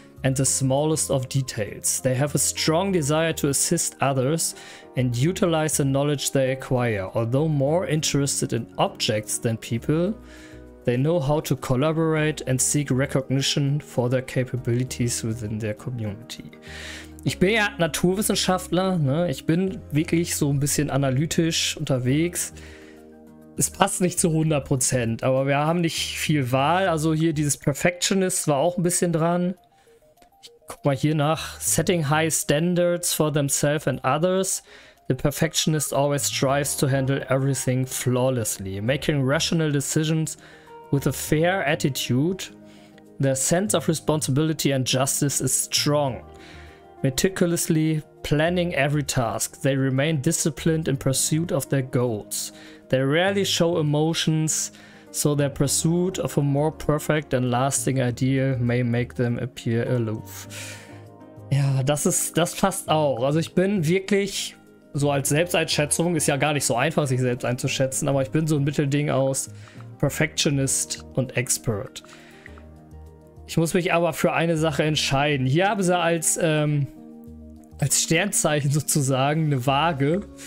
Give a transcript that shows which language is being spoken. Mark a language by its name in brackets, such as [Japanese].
[English] and the smallest of details. They have a strong desire to assist others and utilize the knowledge they acquire. Although more interested in objects than people, They know how to collaborate and seek recognition for their capabilities within their community. [German] Ich bin ja Naturwissenschaftler, ne? Ich bin wirklich so ein bisschen analytisch unterwegs. Es passt nicht zu 100%, aber wir haben nicht viel Wahl. Also hier dieses Perfectionist war auch ein bisschen dran. Ich guck mal hier nach. [English] Setting high standards for themselves and others. The perfectionist always strives to handle everything flawlessly. Making rational decisions with a fair attitude. Their sense of responsibility and justice is strong. Meticulously planning every task. They remain disciplined in pursuit of their goals. They rarely show emotions, so their pursuit of a more perfect and lasting ideal may make them appear aloof. [German] Ja, das passt auch. Also ich bin wirklich so als Selbsteinschätzung, ist ja gar nicht so einfach, sich selbst einzuschätzen, aber ich bin so ein Mittelding aus Perfectionist und Expert. Ich muss mich aber für eine Sache entscheiden. Hier haben sie als, als Sternzeichen sozusagen eine Waage.